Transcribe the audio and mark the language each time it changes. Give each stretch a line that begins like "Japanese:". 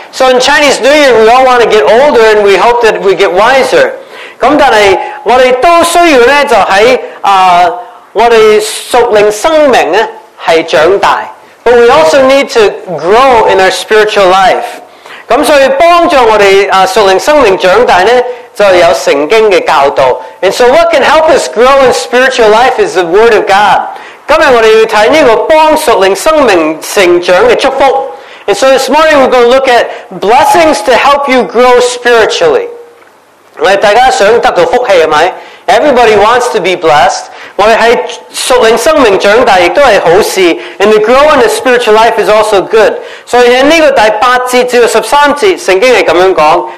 English: So in Chinese New Year, we all want to get older and we hope that we get wiser.
Chinese: 但是我们都需要就在我们属灵生命是长大。
English: But we also need to grow in our spiritual life.
Chinese: 所以帮助我们属灵生命长大呢，就有圣经的教导。
English: And so what can help us grow in spiritual life is the Word of God.
Chinese: 今天我们要看这个帮属灵生命成长的祝福。
English: And so this morning we're going to look at blessings to help you grow spiritually.
Chinese: 大家想得到福气，是吧？
English: Everybody wants to be blessed.
Chinese: 我们在属灵生命长大，也是好事。
English: And the growing of spiritual life is also good.
Chinese: 所以在这个第8节至13节，圣经是这样讲。